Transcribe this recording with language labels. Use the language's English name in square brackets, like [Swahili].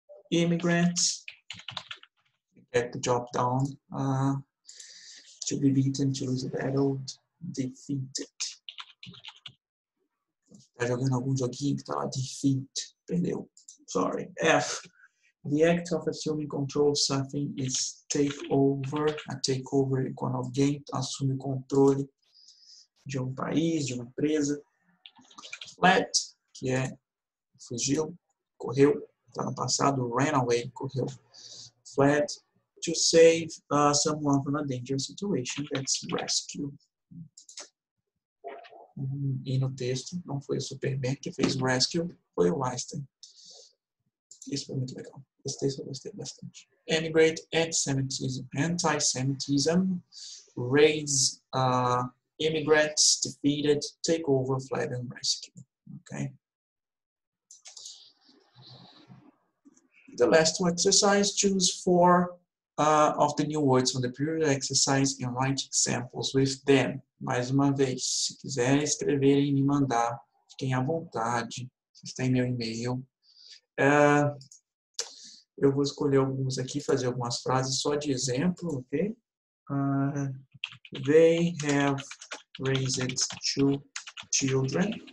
[English] Immigrants. Get the job done. To be beaten, to lose a battle. Defeated. [Portuguese] Tá jogando algum joguinho que tá lá. Defeat. Perdeu. Sorry. F. [English] The act of assuming control of something is take over. [Portuguese] A take over é quando alguém assume o controle de um país, de uma empresa. Fled, que é fugiu, correu, está no passado, [English] ran away, [Portuguese] correu. [English] Fled, to save someone from a dangerous situation, that's rescue. [Portuguese] E no texto, não foi o Superman que fez o rescue, foi o Einstein. Isso foi muito legal. Esse texto eu gostei bastante. Emigrate, anti-Semitism. [English] Anti-Semitism, raids, immigrants, defeated, take over, fled and rescue. Okay. The last two exercises, choose four of the new words from the period exercise and write examples with them. [Portuguese] Mais uma vez, se quiserem escrever e me mandar, fiquem à vontade. Vocês têm meu e-mail. Eu vou escolher alguns aqui, fazer algumas frases só de exemplo, ok? [English] They have raised two children.